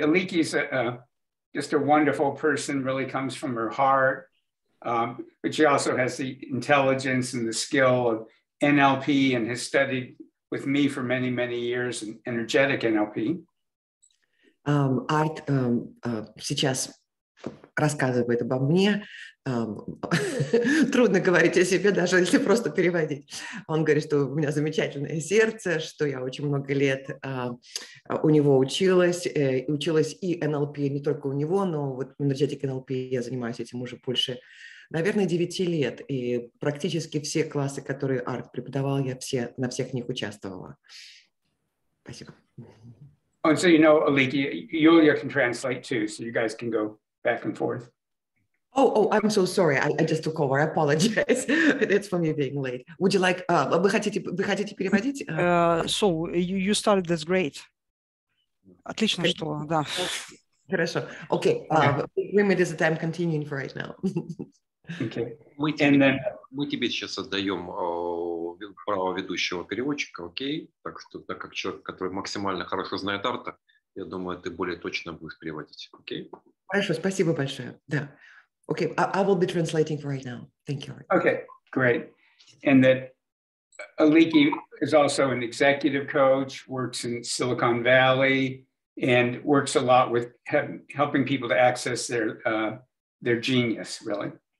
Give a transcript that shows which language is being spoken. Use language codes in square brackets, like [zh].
[en] Aliki's just a wonderful person, really comes from her heart. But she also has the intelligence and the skill of NLP and has studied with me for many, many years in energetic NLP. [ru] Art сейчас рассказывает обо мне. трудно говорить о себе, даже если просто переводить. Он говорит, что у меня замечательное сердце, что я очень много лет у него училась. Училась и NLP, не только у него, но вот energetic NLP я занимаюсь этим уже больше, наверное, 9 лет, и практически все классы, которые Арт преподавал, я все на всех них участвовала. Спасибо. [en] And so you know, Aliki, Yulia can translate too, so you guys can go back and forth. Oh, I'm so sorry. I just took over. I apologize. It's for me being late. Would you like, [ru] вы хотите переводить? [en] So you started, that's great. [ru] Отлично, что, да. Хорошо. Okay. [en] Limit is the time continuing for right now. Okay. [ru] Мы тебе сейчас отдаем право ведущего переводчика, окей? Так что, так как человек, который максимально хорошо знает Арта, я думаю, ты более точно будешь переводить, окей? Хорошо, спасибо большое, да. [en] Okay, I will be translating for right now. Thank you. Okay, great. And that Aliki is also an executive coach, works in Silicon Valley, and works a lot with helping people to access their genius, really.